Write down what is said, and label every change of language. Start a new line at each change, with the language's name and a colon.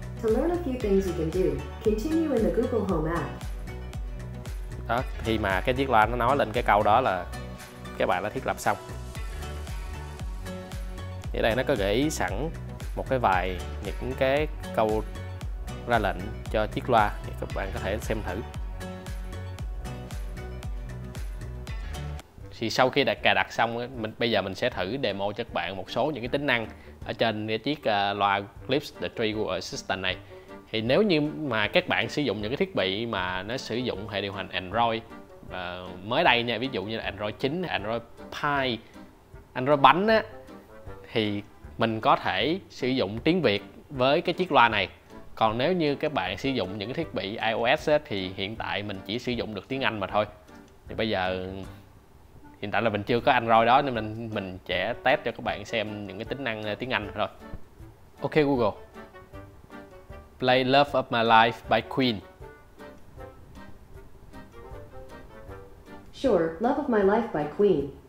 English: To learn a few things you can do, continue in the Google Home app.
Vietnamese: Đó, khi mà cái chiếc loa nó nói lên cái câu đó là các bạn đã thiết lập xong. Ở đây nó có gửi sẵn một cái vài những cái câu ra lệnh cho chiếc loa thì các bạn có thể xem thử. Thì sau khi đã cài đặt xong, bây giờ mình sẽ thử demo cho các bạn một số những cái tính năng ở trên cái chiếc loa Clips The Tree Google Assistant này. Thì nếu như mà các bạn sử dụng những cái thiết bị mà nó sử dụng hệ điều hành Android mới đây nha, ví dụ như là Android 9, Android Pie, Android Bánh á, thì mình có thể sử dụng tiếng Việt với cái chiếc loa này. Còn nếu như các bạn sử dụng những cái thiết bị iOS á, thì hiện tại mình chỉ sử dụng được tiếng Anh mà thôi. Thì bây giờ hiện tại là mình chưa có Android đó nên mình sẽ test cho các bạn xem những cái tính năng tiếng Anh rồi.
English: Ok Google, play Love of My Life by Queen. Sure, Love of My Life by Queen.